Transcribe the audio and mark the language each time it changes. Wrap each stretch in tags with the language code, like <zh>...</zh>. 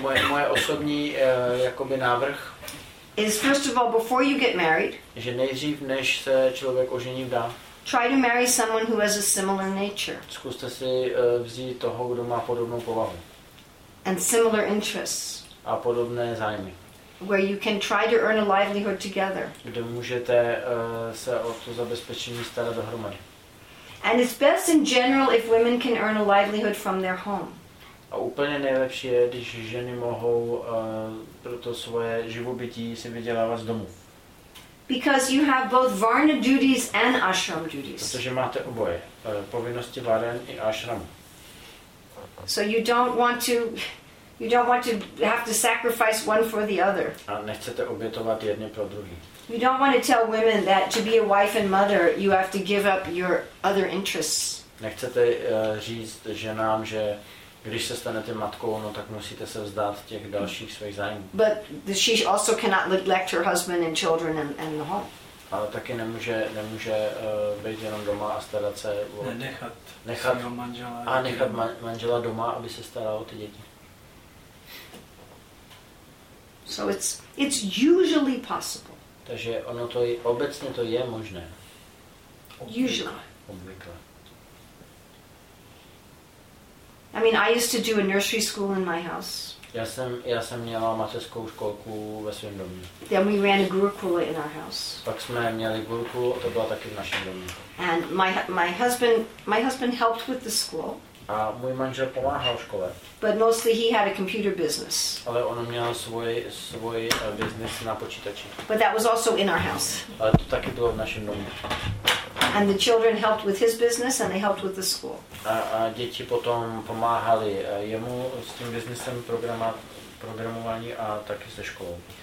<cs>Moje osobní jakoby návrh.</cs> <en>Is first of all before you get married.</en> <cs>Že nejdřív, než se člověk ožení, dá.</cs> <en>Try to marry someone who has a similar nature.</en> <cs>Zkuste si vzít toho, kdo má podobnou povahu.</cs> <en>And similar interests.</en> <cs>A podobné zájmy.</cs> <en>where you can try to earn a livelihood together.</en> <cs>Kde můžete se o to zabezpečení starat dohromady.</cs> <en>And it's best in general if women can earn a livelihood from their home.</en> <cs>A úplně nejlepší je, když ženy mohou pro to svoje živobytí si vydělávat z domu.</cs> <en>Because you have both varna duties and ashram duties.</en> <cs>Protože máte oboje, povinnosti varen i ashram.</cs> <en>So you don't want to have to sacrifice one for the other.</en> <cs>A nechcete obětovat jedno pro druhý.</cs> <en>You don't want to tell women that to be a wife and mother you have to give up your other interests.</en> <cs>Nechcete říct ženám, že když se stanete matkou, no tak musíte se vzdát těch dalších svých zájmů.</cs> <en>But she also cannot neglect her husband and children and the home.</en> <cs>Ale taky nemůže být jenom doma a starat se o... Nechat svého manžela. A nechat manžela doma, aby se staral o ty děti.</cs> <en>So it's usually possible.</en> <cs>Takže ono to je, obecně to je možné. Obvykle.</cs> <en>I mean, I used to do a nursery school in my house.</en> <cs>Já jsem měla mateřskou školku ve svém domě.</cs> <en>Then we ran a gurukul in our house.</en> <cs>Pak jsme měli gurukul, to bylo taky v našem domě.</cs> <en>And my husband helped with the school.</en> <cs>A můj manžel pomáhal škole.</cs> <en>But mostly he had a computer business.</en> <cs>Ale on měl svůj business na počítači.</cs> <en>But that was also in our house.</en> <cs>Ale to taky bylo v našem domě.</cs> <en>And the children helped with his business and they helped with the school.</en> <cs>A děti potom pomáhali jemu s tím biznesem programování a taky se školou.</cs>